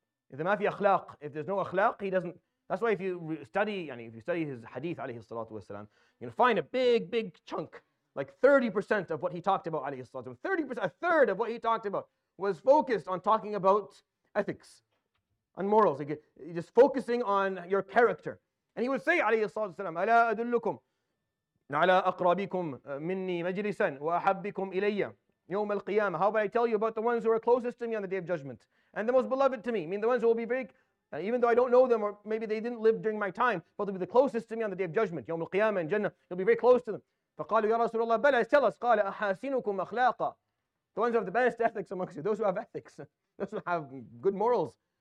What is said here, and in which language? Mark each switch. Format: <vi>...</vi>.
<en>If there's no akhlaq, he doesn't. That's why if you study his hadith alayhi salatu wasalam, you're going to find a big, big chunk, like 30% of what he talked about alayhi salatu wasalam, 30%, a third of what he talked about was focused on talking about ethics, on morals, like just focusing on your character. And he would say</en> <ar>alayhi salatu wasalam, أَلَا أَدُلُّكُمْ عَلَىٰ أَقْرَبِكُمْ مِنِّي مَجْلِسًا وَأَحَبِّكُمْ إِلَيَّ يَوْمَ الْقِيَامَةِ.</ar> <en>How about I tell you about the ones who are closest to me on the Day of Judgment and the most beloved to me, I mean the ones who will be very... even though I don't know them, or maybe they didn't live during my time, but they'll be the closest to me on the Day of Judgment, يوم القيامة and Jannah. You'll be very close to them.</en> <ar>فَقَالُوا يَا رَسُولَ اللَّهِ بَلَا تَلَّ us. قَالَ أَحَاسِنُكُمْ أَخْلَاقًا.</ar> <en>The ones who have the best ethics amongst you, those who have ethics, those who have good morals.</en>